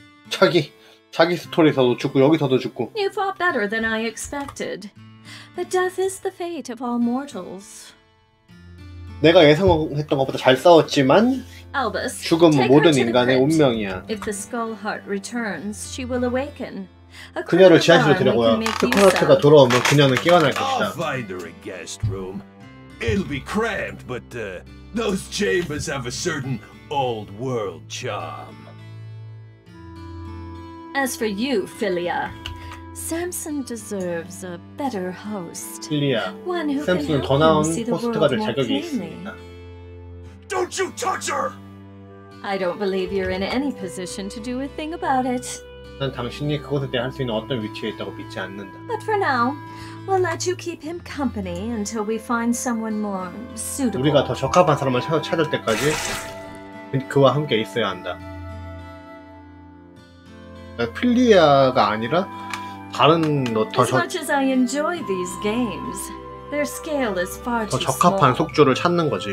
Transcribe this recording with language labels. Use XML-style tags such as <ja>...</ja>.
<ko>자기 스토리에서도 죽고 여기서도 죽고.</ko> <en>You fought better than I expected. But death is the fate of all mortals.</en> <ko>내가 예상했던 것보다 잘 싸웠지만</ko> <en>Albus,</en> <ko>죽음은 모든 인간의 운명이야.</ko> <en>If the Skullheart returns, she will awaken.</en> <ko>그녀를 지하실로 데려와. 스컬하트가 돌아오면 그녀는 깨어날 것이다.</ko> <en>I'll find her a guest room. It'll be cramped, but those chambers have a certain old world charm. As for you, Philia, Samson deserves a better host. Philia, one who can see the world more plainly. Don't you touch her! I don't believe you're in any position to do a thing about it.</en> <ko>난 당신이 그것에 대해 할 수 있는 어떤 위치에 있다고 믿지 않는다.</ko> <en>But for now, we'll let you keep him company until we find someone more suitable.</en> <ko>우리가 더 적합한 사람을 찾을 때까지 그와 함께 있어야 한다. 필리아가 아니라 다른 더 적합한 속주를 찾는 거지.</ko>